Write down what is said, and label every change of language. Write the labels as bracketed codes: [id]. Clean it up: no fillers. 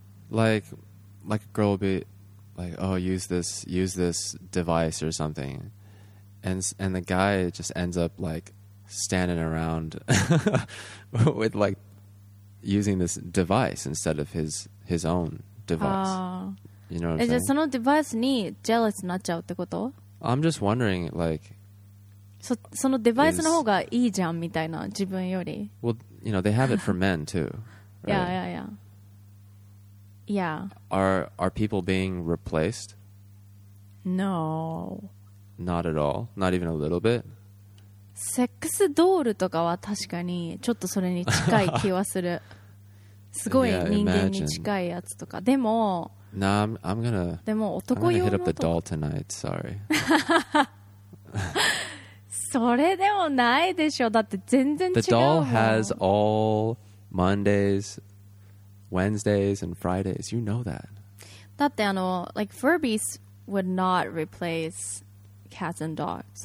[en] Like a girl will be like, oh, use this device or something, and the guy just ends up like standing around with like. Using this device instead of his own device. You know what I'm saying? [ja] じゃあそのデバイスにジェラスになっちゃうってこと? [en] I'm just wondering, like... [ja] そのデバイスの方がいいじゃんみたいな、自分より。 [en] Well, you know, they have it for men too, right? Yeah, yeah, yeah. Yeah. Are people being replaced? No. Not at all? Not even a little bit? [ja] セックスドールとかは確かにちょっとそれに近い気はする。すごい人間に近いやつとか。でも、 [en] No, I'm gonna, [ja] でも男用のとか。 [en] I'm gonna hit up the doll tonight, sorry. [ja] それでもないでしょ。だって全然違うもん。 [en] The doll has all Mondays, Wednesdays, and Fridays. You know that. [ja] だってあの、 [en] like Furbies would not replace... cats and dogs.